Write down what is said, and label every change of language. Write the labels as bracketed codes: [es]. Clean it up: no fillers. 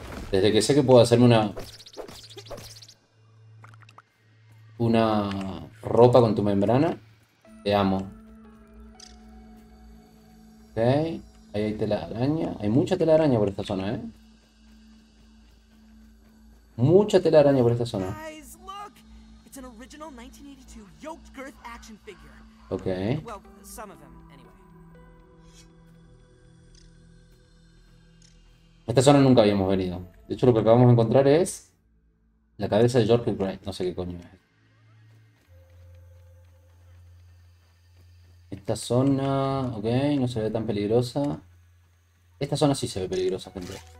[es] Desde que sé que puedo hacerme una ropa con tu membrana, te amo. Ok, ahí hay tela de araña. Hay mucha tela de araña por esta zona, ¿eh? Mucha tela de araña por esta zona. [en] Guys, look, it's an original 1982 yoked girth action figure. Ok. Well, some of them, anyway. [es] Esta zona nunca habíamos venido. De hecho, lo que acabamos de encontrar es la cabeza de George Wright. No sé qué coño es. Esta zona, ok, no se ve tan peligrosa. Esta zona sí se ve peligrosa, gente.